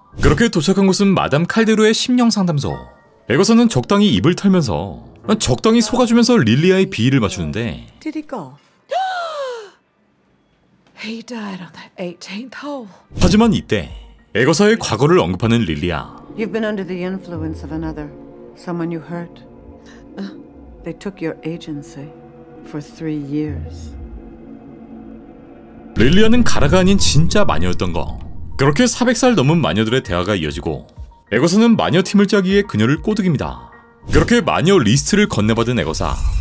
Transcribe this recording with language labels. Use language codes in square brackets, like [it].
[ko] 그렇게 도착한 곳은 마담 칼데루의 심령 상담소. 에거서는 적당히 입을 털면서, 적당히 속아주면서 릴리아의 비위를 맞추는데, [en] Did he go? He died on the 18th hole. [ko] 하지만 이때 에거서의 과거를 언급하는 릴리아, [en] You've been under the influence of another, someone you hurt. They took your agency for 3 years. [ko] 릴리아는 가라가 아닌 진짜 마녀였던 거. 그렇게 400살 넘은 마녀들의 대화가 이어지고, 에거사는 마녀 팀을 짜기 위해 그녀를 꼬드깁니다. 그렇게 마녀 리스트를 건네받은 에거사,